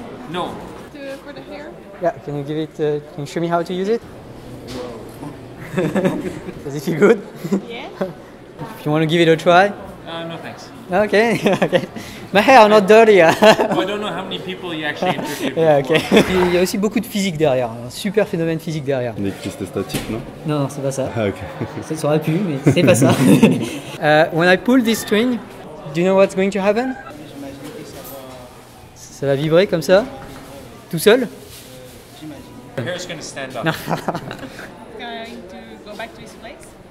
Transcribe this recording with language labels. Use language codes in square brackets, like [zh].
[en] No. For the hair? Yeah, can you give it, can you show me how to use it? Does it feel good? Yeah. If you want to give it a try? No, thanks. Okay, okay. My hair are not dirty. Well, I don't know how many people you actually interviewed. Yeah, okay. [fr] Il y a aussi beaucoup de physique derrière, un super phénomène physique derrière. Une électricité statique, non? Non, c'est pas ça. Ah, okay. Ça aurait pu, mais c'est pas ça. [en] When I pull this string, do you know what's going to happen? [fr] J'imagine que ça va vibrer comme ça? Tout seul? J'imagine. [en] Your hair is going to stand up. It's going to go back to its place.